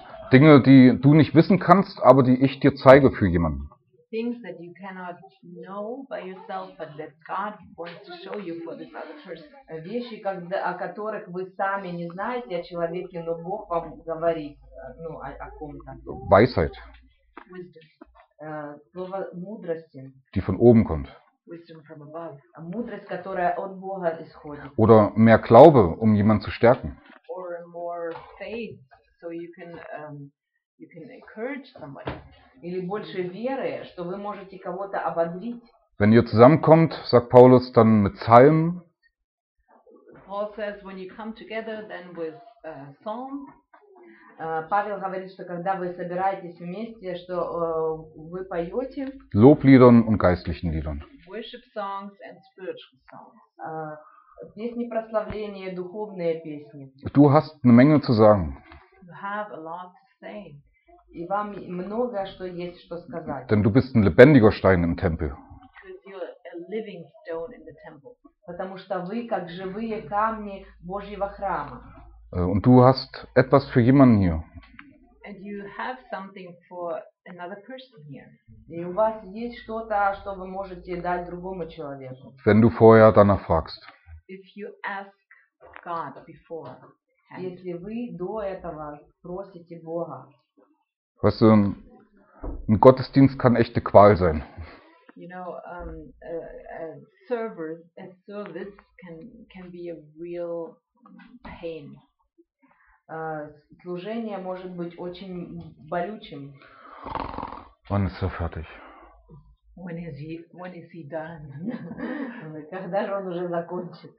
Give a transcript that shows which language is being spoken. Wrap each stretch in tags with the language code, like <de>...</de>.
<de>Dinge, die du nicht wissen kannst, aber die ich dir zeige für jemanden.</de> <en>Things that you cannot know by yourself, but that God wants to show you for this other person.</en> <ru>Вещи, о которых вы сами не знаете о человеке, но Бог вам говорит, ну, о ком-то.</ru> <de>Weisheit.</de> <en>Wisdom.</en> <ru>Слово мудрости.</ru> <de>Die von oben kommt.</de> <en>Wisdom from above.</en> <ru>Мудрость, которая от Бога исходит.</ru> <de>Oder mehr Glaube, um jemanden zu stärken.</de> <en>Or more faith, so you can encourage somebody.</en> <ru>Или больше веры, что вы можете кого-то ободрить.</ru> <de>Wenn ihr zusammenkommt, sagt Paulus, dann mit Psalmen.</de> <en>Paul says, when you come together, then with psalms.</en> <ru>Павел говорит, что когда вы собираетесь вместе, что вы поете. Лобликом и</ru> <de>geistlichen Liedern.</de> <en>Worship songs and spiritual songs.</en> <ru>Песни прославления, духовные песни.</ru> <de>Du hast eine Menge zu sagen.</de> <en>You have a lot to say.</en> <ru>И вам много что есть что сказать.</ru> <de>Denn du bist ein lebendiger Stein im Tempel.</de> <en>You're a living stone in the temple.</en> <ru>Потому что вы как живые камни Божьего храма.</ru> <de>Und du hast etwas für jemanden hier.</de> <en>And you have something for another person here.</en> <ru>И у вас есть что-то, что вы можете дать другому человеку.</ru> <de>Wenn du vorher danach fragst.</de> <en>If you ask God before.</en> <ru>Если вы до этого просите Бога.</ru> <de>Weißt du, ein Gottesdienst kann echte Qual sein.</de> <en>You know, a service can be a real pain.</en> <ru>Служение может быть очень болючим.</ru> <de>Wann ist er fertig?</de> <en>When is he done?</en> <ru>Когда же он уже закончит?</ru>